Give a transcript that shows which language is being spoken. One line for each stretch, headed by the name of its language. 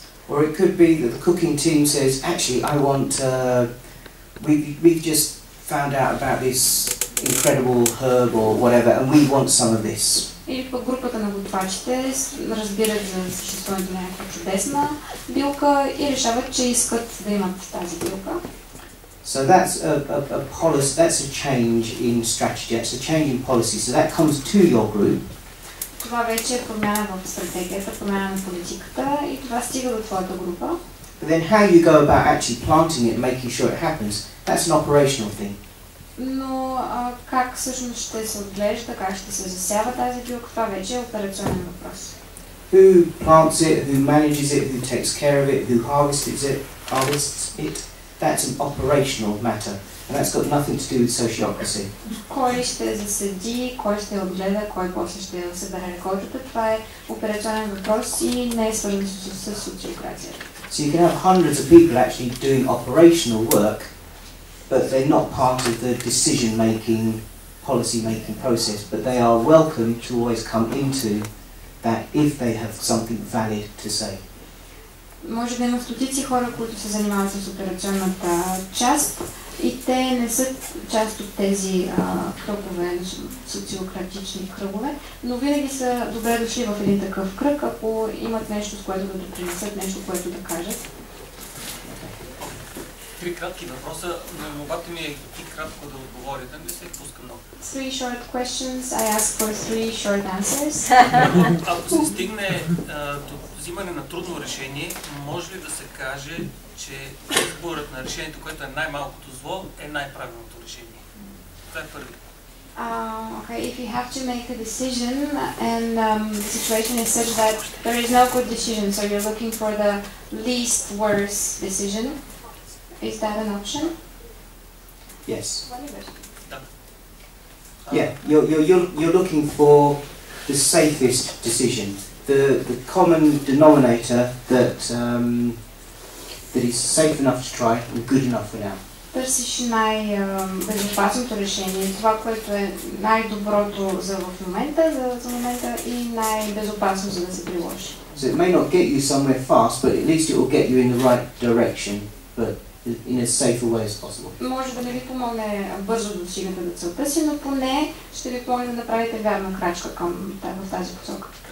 English: Or it could be that the cooking team says, actually, I want, we just found out about this incredible herb or whatever, and we want some of this.
Bulgarian: Или по групата на готвачите разбират за съществуването на някаква чудесна билка и решават, че искат да имат тази билка.
English: So that's a policy, that's a change in strategy, that's a change in policy. So that comes to your group.
Bulgarian: Това вече е промяна в стратегията, промяна на политиката и това стига до твоята група.
English: But then how you go about actually planting it, making sure it happens, that's an operational thing.
Bulgarian: Но как всъщност ще се отглежда, как ще се засява тази билка, това вече е операционен въпрос.
English: Who plants it, who manages it, who takes care of it, who harvests it, that's an operational matter. And that's got nothing to do with sociocracy.
Bulgarian: Кой ще засади, кой ще отгледа, кой после ще събере рекордата, това е операционен въпрос и не е свързан с социокрацията.
English: So you can have hundreds of people actually doing operational work, but they're not part of the decision-making, policy-making process, but they are welcome to always come into that if they have something valid to say.
Bulgarian: Може да има стотици хора, които се занимават с операционната част и те не са част от тези кръгове, социократични кръгове, но винаги са добре дошли в един такъв кръг, ако имат нещо, с което да допринесат, нещо, което да кажат. Три кратки въпроса, но молбата ми е и кратко да отговорите, не се пуска много.
English: Three short questions, I ask for three short answers.
Bulgarian: Ако се стигне до взимане на трудно решение, може ли да се каже, че изборът на решението, което е най-малкото зло, е най-правилното решение? Това е първи.
English: Okay, if you have to make a decision and the situation is such that there is no good decision, so you're looking for the least worst decision, is that an option? Yes. Yeah, you're looking for the safest decision, the common denominator that is safe enough to try and good enough for now.
Bulgarian: Търсиш най-безопасното решение, това, което е най-доброто за в момента, за момента и най-безопасно, за да се приложи.
English: So it may not get you somewhere fast, but at least it will get you in the right direction, but in as safe a way as possible.
Bulgarian: Може да не ви помогне бързо да достигнете до целта си, но поне ще ви помогне да направите вярна крачка към тази посока.